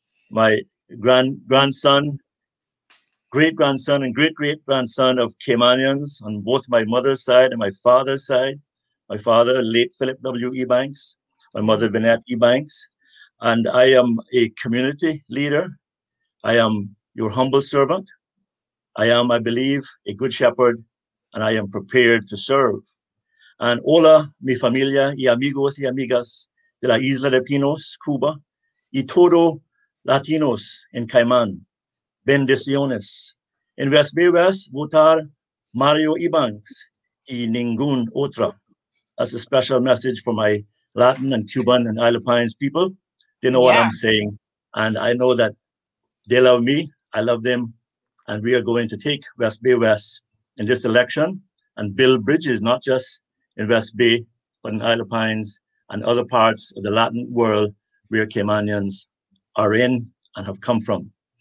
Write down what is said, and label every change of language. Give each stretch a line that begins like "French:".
English: My grandson, great-grandson and great-great-grandson of Caymanians on both my mother's side and my father's side. My father, late Philip W. Ebanks, my mother, Vinette Ebanks. And I am a community leader. I am your humble servant. I am, I believe, a good shepherd, and I am prepared to serve.
Spanish: And hola, mi familia, y amigos y amigas de la Isla de Pinos, Cuba, y todo latinos en Caimán. Bendiciones. En West Bay West, votar Mario Ebanks y ningún otro.
English: That's a special message for my Latin and Cuban and Isle of Pines people. They know what I'm saying. And I know that they love me. I love them. And we are going to take West Bay West in this election and build bridges, not just in West Bay, but in Isle of Pines and other parts of the Latin world where Caymanians are in and have come from.